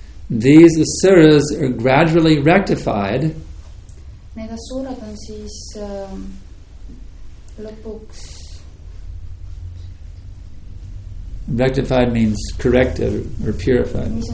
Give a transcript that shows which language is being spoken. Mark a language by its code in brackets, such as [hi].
[en] These asuras are gradually rectified. [et] Need asurad on siis lõpuks. [en] Rectified means corrected or purified.